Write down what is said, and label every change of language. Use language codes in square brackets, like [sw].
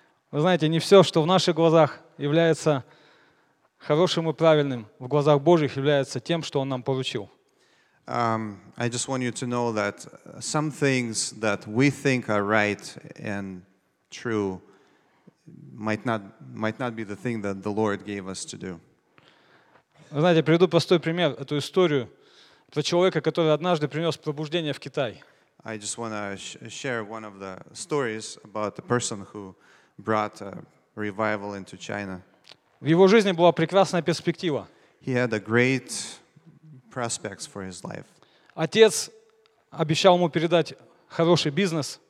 [ru] Вы знаете, не все, что в наших глазах является хорошим и правильным, в глазах Божьих является тем, что Он нам поручил. [en] I just want you to know that some things that we think are right and true might not be the thing that the Lord gave us to do. [ru] Вы знаете, приведу простой пример, эту историю про человека, который однажды принес пробуждение в Китай. [en] I just want to share one of the stories about the person who brought a revival into China. [ru] В его жизни была прекрасная перспектива. [en] He had a great prospects for his life. [ru] Отец обещал ему передать хороший бизнес.